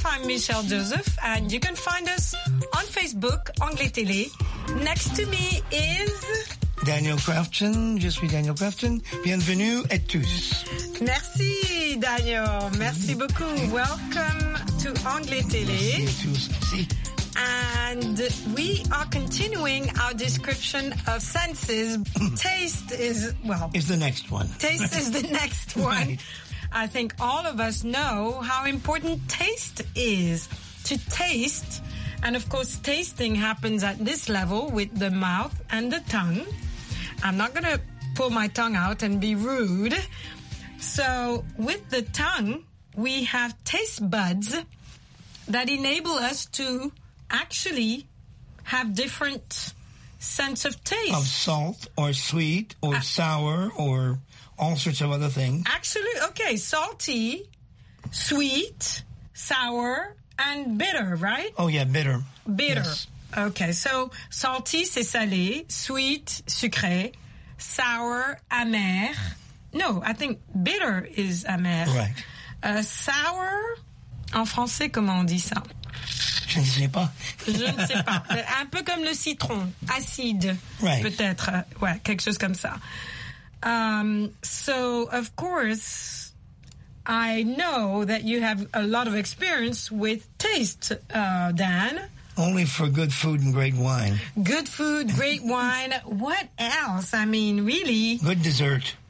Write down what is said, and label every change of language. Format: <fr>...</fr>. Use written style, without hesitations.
<en>I'm Michelle Joseph, and you can find us on Facebook, Anglais Télé. Next to me is</en> <fr>Daniel Crafton. Je suis Daniel Crafton. Bienvenue à tous. Merci, Daniel. Merci beaucoup.</fr> <en>Welcome to Anglais Télé.</en> <fr>Merci à tous. Merci.</fr> <en>And we are continuing our description of senses. Taste is, well, is the next one. Taste is the next one. I think all of us know how important taste is. To taste, and of course, tasting happens at this level with the mouth and the tongue. I'm not going to pull my tongue out and be rude. So with the tongue, we have taste buds that enable us to actually have different sense of taste. Of salt or sweet or sour or all sorts of other things. Actually, okay, salty, sweet, sour, and bitter, right? Oh, yeah, bitter. Bitter. Yes. Okay, so salty,</en> <fr>c'est salé.</fr> <en>Sweet, sucré. Sour, amer. No, I think bitter is amer. Right.</en> <fr>Sour, en français, comment on dit ça? Je ne sais pas. Je ne sais pas. Un peu comme le citron, acide,</fr> <en>right.</en> <fr>Peut-être. Ouais, quelque chose comme ça.</fr> <en>So, of course, I know that you have a lot of experience with taste, Dan. Only for good food and great wine. Good food, great wine. What else? I mean, really? Good dessert.</en>